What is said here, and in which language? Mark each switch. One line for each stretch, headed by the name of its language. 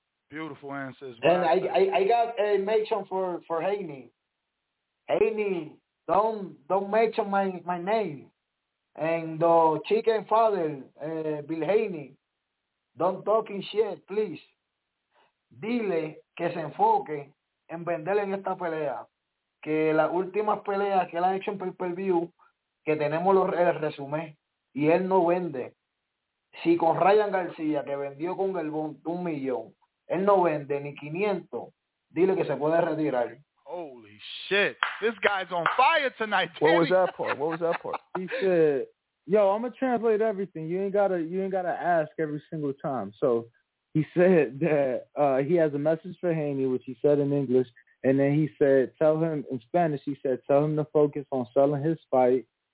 English: Beautiful answers. And I got a mention for Haney. Haney, don't mention my name. And the chicken father, Bill Haney, don't talk in shit, please.
Spanish: Dile que se enfoque en vender en esta pelea. Que las últimas peleas que él ha hecho en pay-per-view, que tenemos el resumen, y él no vende. Si con Ryan García, que vendió con el Bond 1 millón, él no vende ni 500, dile que se puede retirar.
English: Holy shit. This guy's on fire tonight, Danny. What was that part? He said, yo, I'm going to translate everything. You ain't gotta ask every single time. So he said that he has a message for Haney, which he said in English. And then he said, tell him to focus on selling his fight.